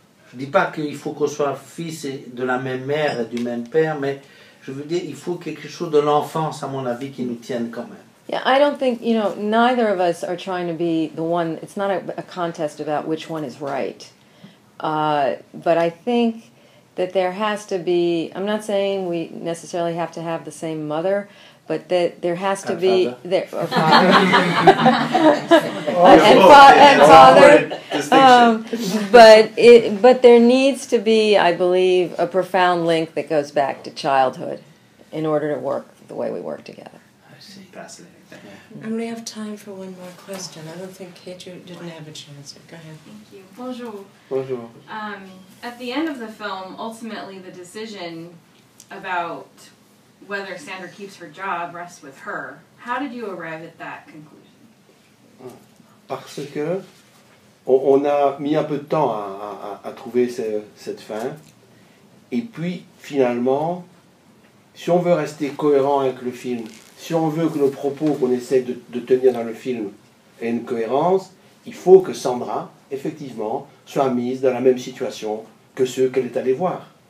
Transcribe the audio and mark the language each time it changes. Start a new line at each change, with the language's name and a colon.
French: Je ne dis pas qu'il faut qu'on soit fils de la même mère et du même père, mais je veux dire, il faut quelque chose de l'enfance, à mon avis, qui nous tienne quand même.
English: Yeah, I don't think, you know, neither of us are trying to be the one, it's not a contest about which one is right. But I think that there has to be, I'm not saying we necessarily have to have the same mother, but that there has to be, father, but there needs to be, I believe, a profound link that goes back to childhood in order to work the way we work together. I see. Fascinating. And we have time for one more question. I don't think Kate didn't have a chance. Go ahead. Thank you. Bonjour.
French: Bonjour.
English: At the end of the film, ultimately the decision about whether Sandra keeps her job rests with her. How did you arrive at that conclusion?
French: Parce que on a mis un peu de temps à trouver cette fin. Et puis, finalement, si on veut rester cohérent avec le film, si on veut que nos propos qu'on essaie de tenir dans le film aient une cohérence, il faut que Sandra, effectivement, soit mise dans la même situation que ceux qu'elle est allée voir.